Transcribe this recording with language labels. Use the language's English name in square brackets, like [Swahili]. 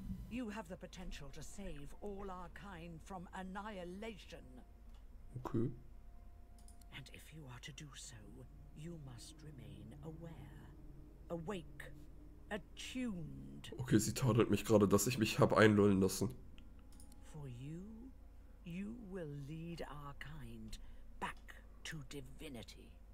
[English] You have the potential to save all our kind from annihilation. Okay. And if you are to do so, you must remain aware, awake, attuned. [German] Okay, sie tadelt mich gerade, dass ich mich hab einlullen lassen. [English] For you, you will lead our kind back to divinity.